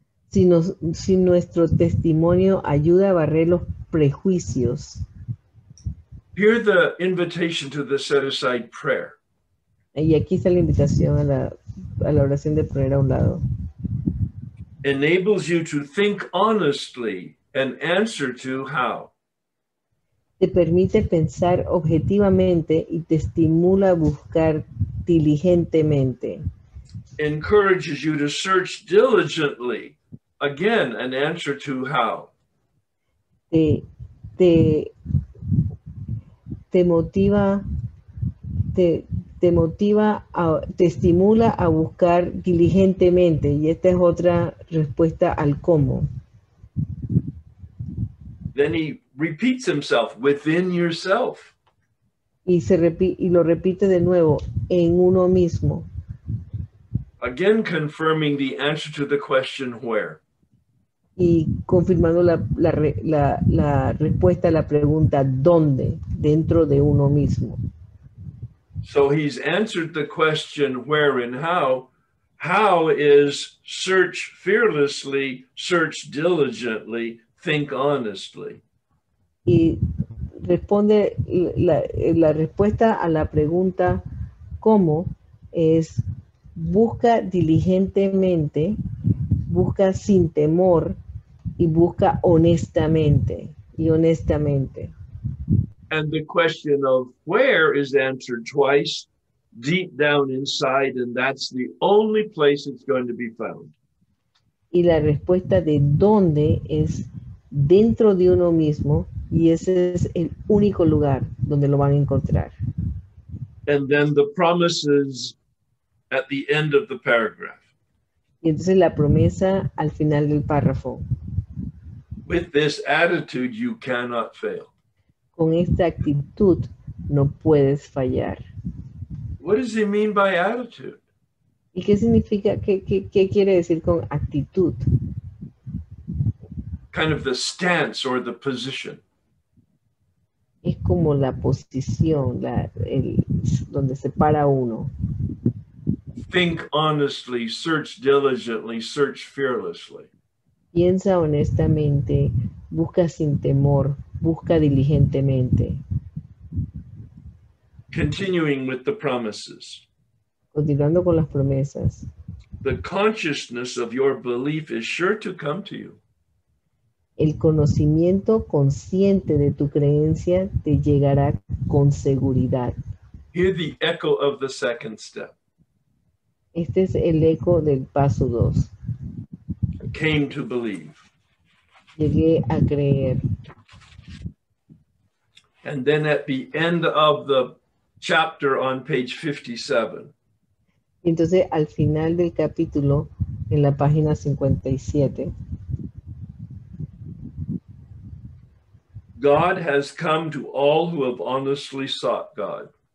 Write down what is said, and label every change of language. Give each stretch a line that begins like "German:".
Spanish: Si nuestro testimonio ayuda a barrer los prejuicios.
English: Hear the invitation to the set aside prayer.
Spanish: Y aquí está la invitación a la oración de poner a un lado.
English: Enables you to think honestly and answer to how.
Spanish: Te permite pensar objetivamente y te estimula a buscar diligentemente.
English: Encourages you to search diligently. Again, an answer to how.
Spanish: Te estimula a buscar diligentemente. Y esta es otra respuesta al cómo.
English: Then he repeats himself within yourself.
Spanish: Y lo repite de nuevo en uno mismo.
English: Again, confirming the answer to the question where.
Spanish: Y confirmando la respuesta a la pregunta dónde, dentro de uno mismo.
English: So he's answered the question where and how. How is search fearlessly, search diligently, think honestly.
Spanish: Y responde la respuesta a la pregunta cómo es busca diligentemente, busca sin temor y busca honestamente y honestamente.
English: And the question of where is answered twice, deep down inside, and that's the only place it's going to be found.
Spanish: Y la respuesta de dónde es dentro de uno mismo, y ese es el único lugar donde lo van a encontrar.
English: And then the promises at the end of the paragraph.
Spanish: Y entonces la promesa al final del párrafo.
English: With this attitude, you cannot fail.
Spanish: Con esta actitud, no puedes fallar.
English: What does he mean by attitude?
Spanish: ¿Y qué significa, qué quiere decir con actitud?
English: Kind of the stance or the position.
Spanish: Es como la posición, donde se para uno.
English: Think honestly, search diligently, search fearlessly.
Spanish: Piensa honestamente, busca sin temor, busca diligentemente.
English: Continuing with the promises.
Spanish: Continuando con las promesas.
English: The consciousness of your belief is sure to come to you.
Spanish: El conocimiento consciente de tu creencia te llegará con seguridad.
English: Hear the echo of the second step.
Spanish: Este es el eco del paso 2.
English: Came to believe.
Spanish: Llegué a creer.
English: And then at the end of the chapter on page 57.
Spanish: Entonces, al final del capítulo, en la página 57.
English: God has come to all who have honestly sought God.